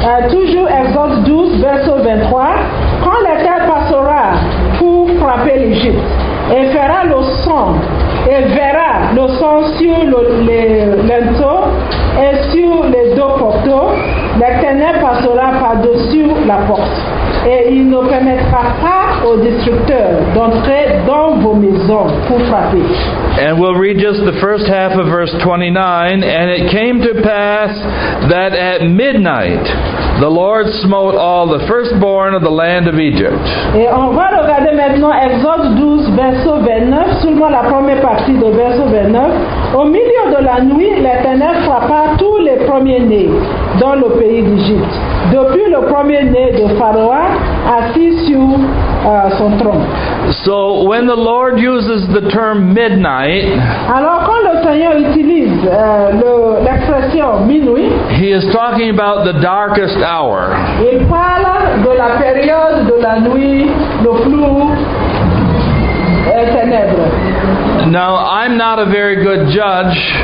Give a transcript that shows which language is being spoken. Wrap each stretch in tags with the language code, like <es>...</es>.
<fr>Toujours Exode 12, verset 23, "Quand l'Éternel passera pour frapper l'Égypte et fera le sang, et verra le sang sur le linteau et sur les deux poteaux, l'Éternel passera par-dessus la porte." Et il ne permettra pas aux destructeurs d'entrer dans vos maisons pour frapper.</fr> <en>And we'll read just the first half of verse 29. And it came to pass that at midnight the Lord smote all the firstborn of the land of Egypt.</en> <fr>Et on va regarder maintenant Exode 12, verset 29, seulement la première partie de verset 29. Au milieu de la nuit, l'Éternel frappa tous les premiers-nés dans le pays d'Égypte, depuis le premier-né de Pharaon assis sur son trône.</fr> <en>So when the Lord uses the term midnight,</en> <fr>alors quand le Seigneur utilise l'expression minuit,</fr> <en>he is talking about the darkest hour.</en> <fr>Il parle de la période de la nuit, le flou et ténèbres.</fr> <en>Now, I'm not a very good judge</en>